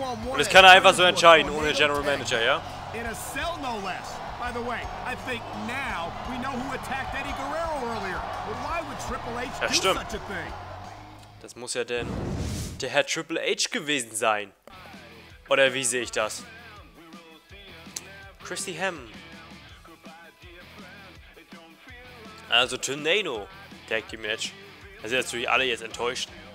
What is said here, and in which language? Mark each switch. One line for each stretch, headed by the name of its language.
German: Und das kann er einfach so entscheiden, ohne General Manager, ja?
English: In a cell, no less. By the way, I think now we know who attacked Eddie Guerrero earlier. But why would Triple H do such a thing?
German: Das muss ja denn der Herr Triple H gewesen sein. Oder wie sehe ich das? Christy Hemm. Also Tornado Tag Team Match. Da sind natürlich alle jetzt enttäuscht.